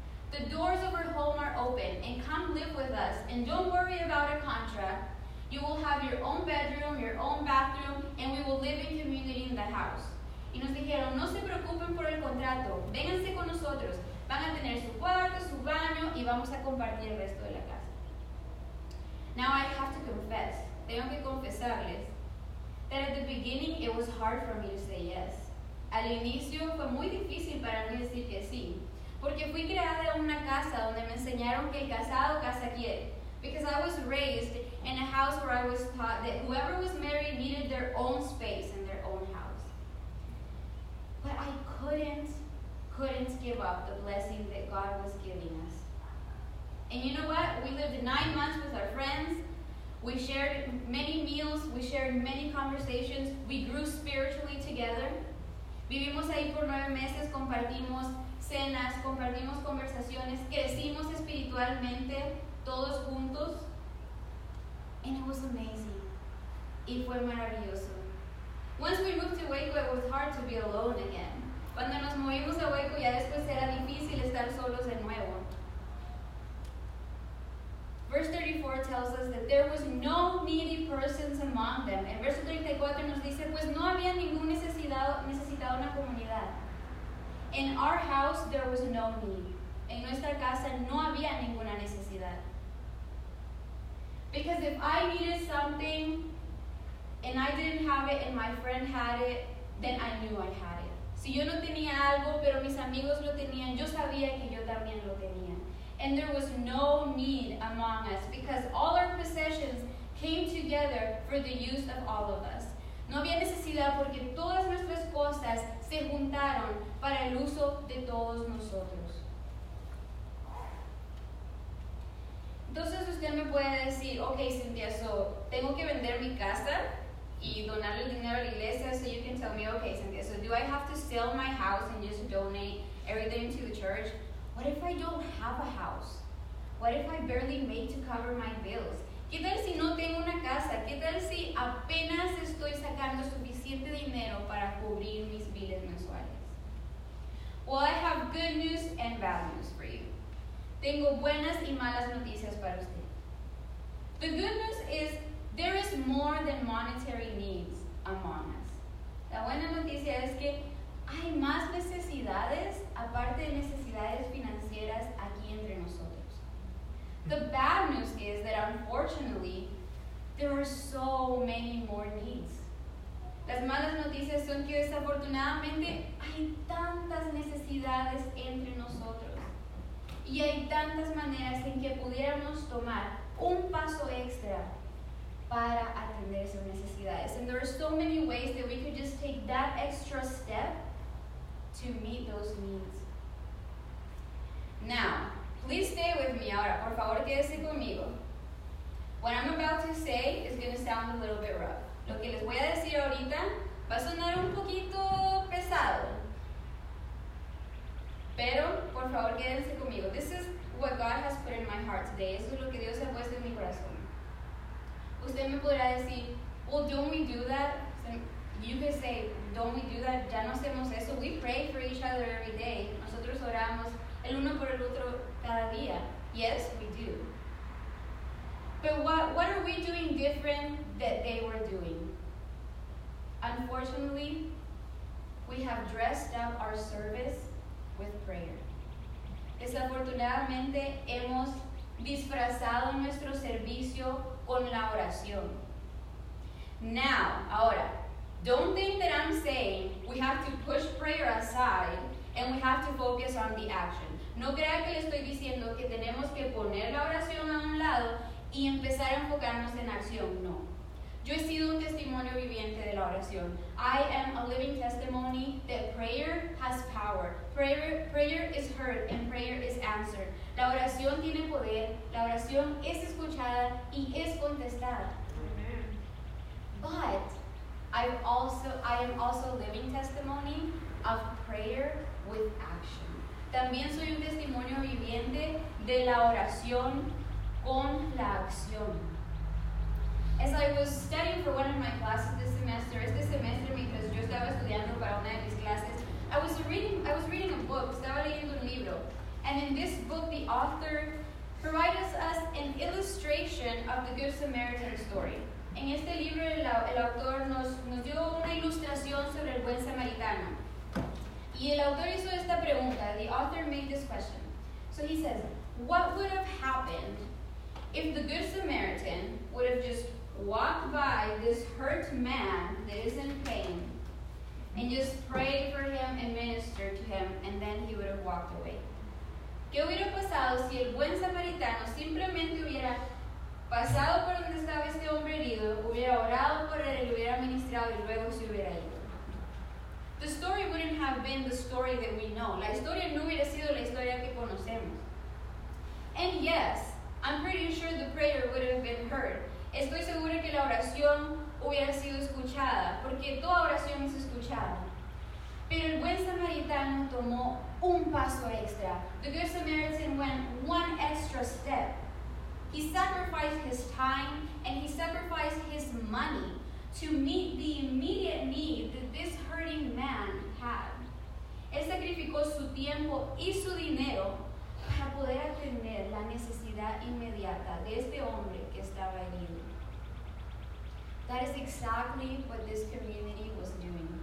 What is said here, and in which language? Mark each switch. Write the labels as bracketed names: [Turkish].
[English] The doors of our home are open, and come live with us, and don't worry about a contract. You will have your own bedroom, your own bathroom, and we will live in community in the house. [Spanish] Y nos dijeron, no se preocupen por el contrato, vénganse con nosotros. Van a tener su cuarto, su baño, y vamos a compartir el resto de la casa. [English] Now I have to confess, [Spanish] tengo que confesarles, [English] that at the beginning it was hard for me to say yes. [Spanish] Al inicio fue muy difícil para mí decir que sí. Porque fui creada en una casa donde me enseñaron que el casado casa quiere. [English] Because I was raised in a house where I was taught that whoever was married needed their own space and their own house. But I couldn't give up the blessing that God was giving us. And you know what? We lived 9 months with our friends. We shared many meals. We shared many conversations. We grew spiritually together. [Spanish] Vivimos ahí por 9 meses, compartimos cenas, compartimos conversaciones, crecimos espiritualmente, todos juntos. [English] And it was amazing. [Spanish] Y fue maravilloso. [English] Once we moved to Waco, it was hard to be alone again. [Spanish] Cuando nos movimos a Waco, ya después era difícil estar solos de nuevo. [English] Verse 34 tells us that there was no needy persons among them. And verse 34 [Spanish] nos dice, pues no había ningún necesitado en la comunidad. [English] In our house, there was no need. [Spanish] En nuestra casa, no había ninguna necesidad. [English] Because if I needed something, and I didn't have it, and my friend had it, then I knew I had it. [Spanish] Si yo no tenía algo, pero mis amigos lo tenían, yo sabía que yo también lo tenía. [English] And there was no need among us, because all our possessions came together for the use of all of us. [Spanish] No había necesidad porque todas nuestras cosas se juntaron para el uso de todos nosotros. Entonces usted me puede decir, ok, Cynthia, so tengo que vender mi casa y donar el dinero a la iglesia. [English] So you can tell me, ok, Cynthia, so do I have to sell my house and just donate everything to the church? What if I don't have a house? What if I barely made to cover my bills? [Spanish] ¿Qué tal si no tengo una casa? ¿Qué tal si apenas estoy sacando suficiente dinero para cubrir mis biles mensuales? [English] Well, I have good news and bad news for you. [Spanish] Tengo buenas y malas noticias para usted. [English] The good news is there is more than monetary needs among us. [Spanish] La buena noticia es que hay más necesidades, aparte de necesidades financieras, aquí entre nosotros. [English] The bad news is that, unfortunately, there are so many more needs. [Spanish] Las malas noticias son que, desafortunadamente, hay tantas necesidades entre nosotros. Y hay tantas maneras en que pudiéramos tomar un paso extra para atender esas necesidades. [English] And there are so many ways that we could just take that extra step to meet those needs. Now, please stay with me [Spanish] ahora, por favor, quédese conmigo. [English] What I'm about to say is going to sound a little bit rough. [Spanish] Lo que les voy a decir ahorita va a sonar un poquito pesado. Pero, por favor, quédense conmigo. [English] This is what God has put in my heart today. [Spanish] Eso es lo que Dios ha puesto en mi corazón. Usted me podrá decir, [English] well, don't we do that? You can say, don't we do that? [Spanish] Ya no hacemos eso. [English] We pray for each other every day. [Spanish] Nosotros oramos el uno por el otro cada día. [English] Yes, we do. But what are we doing different that they were doing? Unfortunately, we have dressed up our service with prayer. [Spanish] Desafortunadamente, hemos disfrazado nuestro servicio con la oración. [English] Now, ahora, don't think that I'm saying we have to push prayer aside and we have to focus on the action. [Spanish] No crea que estoy diciendo que tenemos que poner la oración a un lado y empezar a enfocarnos en acción. No. Yo he sido un testimonio viviente de la oración. [English] I am a living testimony that prayer has power. Prayer is heard and prayer is answered. [Spanish] La oración tiene poder. La oración es escuchada y es contestada. [English] But I am also a living testimony of prayer with action. [Spanish] También soy un testimonio viviente de la oración con la acción. [English] As I was studying for one of my classes this semester, because [Spanish] yo estaba estudiando para una de mis clases, [English] I was reading a book, [Spanish] estaba leyendo un libro. [English] And in this book, the author provides us an illustration of the Good Samaritan story. [Spanish] En este libro, el autor nos dio una ilustración sobre el buen samaritano. Y el autor hizo esta pregunta. [English] The author made this question. So he says, what would have happened if the Good Samaritan would have just walked by this hurt man that is in pain and just prayed for him and ministered to him, and then he would have walked away? [Spanish] ¿Qué hubiera pasado si el buen samaritano simplemente hubiera pasado por donde estaba este hombre herido, hubiera orado por él, lo hubiera ministrado y luego se hubiera ido? [English] The story wouldn't have been the story that we know. [Spanish] La historia no hubiera sido la historia que conocemos. [English] And yes, I'm pretty sure the prayer would have been heard. [Spanish] Estoy segura que la oración hubiera sido escuchada, porque toda oración es escuchada. Pero el buen samaritano tomó un paso extra. [English] The Good Samaritan went one extra step. He sacrificed his time and he sacrificed his money to meet the immediate need that this hurting man had. [Spanish] Él sacrificó su tiempo y su dinero para poder atender la necesidad inmediata de este hombre que estaba herido. [English] That is exactly what this community was doing.